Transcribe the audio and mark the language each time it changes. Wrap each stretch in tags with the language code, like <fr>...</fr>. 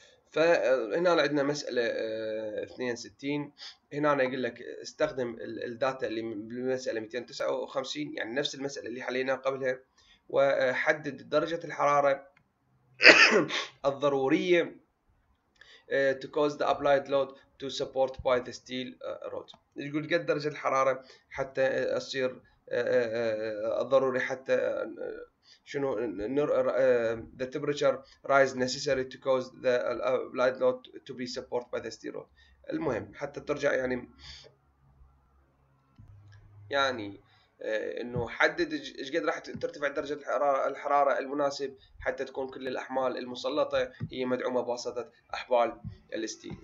<ar>فهنا عندنا مسألة 62 هنا يقول لك استخدم الداتا اللي بالمسألة 259 يعني نفس المسألة اللي حليناها قبلها وحدد درجة الحرارة الضرورية</ar> <en>to cause the applied load to support by the steel rod.</en> <ar>يقول قد درجة الحرارة حتى أصير الضروري حتى شنو</ar> <en>the temperature rise necessary to cause the applied load to be supported by the steel rod.</en> <ar>المهم حتى ترجع يعني انه حدد ايش قد راح ترتفع درجة الحرارة المناسب حتى تكون كل الاحمال المسلطة هي مدعومة بواسطة احبال الستيل.</ar>